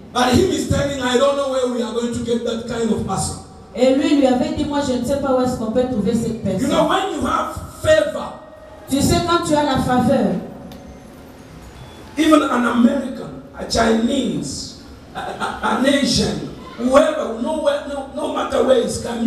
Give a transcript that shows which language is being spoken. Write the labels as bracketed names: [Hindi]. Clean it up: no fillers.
[English] But he is telling, I don't know where we are going to get that kind of person. [French] Et lui avait dit, moi je ne sais pas où est-ce qu'on peut trouver cette personne. [English] You know, when you have favor, [French] tu sais quand tu as la faveur. [English] Even an American, a Chinese, an Asian, whoever, no matter where he's coming